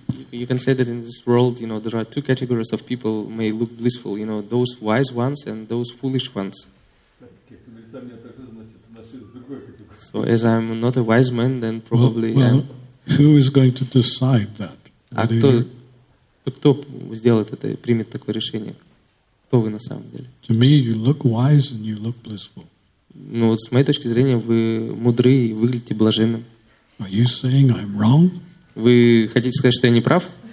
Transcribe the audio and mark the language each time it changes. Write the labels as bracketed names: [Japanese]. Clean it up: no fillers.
[English] You can say that in this world, you know, there are two categories of people may look blissful, you know, those wise ones and those foolish ones. So as I'm not a wise man, then probably well, who is going to decide that? [Russian] Кто сделает это, примет такое решение? Кто вы на самом деле? [English] To me, you look wise and you look blissful. [Russian] Ну, с моей точки зрения, вы мудры и выглядите блаженным. [English] Are you saying I'm wrong? [Russian] Вы хотите сказать, что я не прав?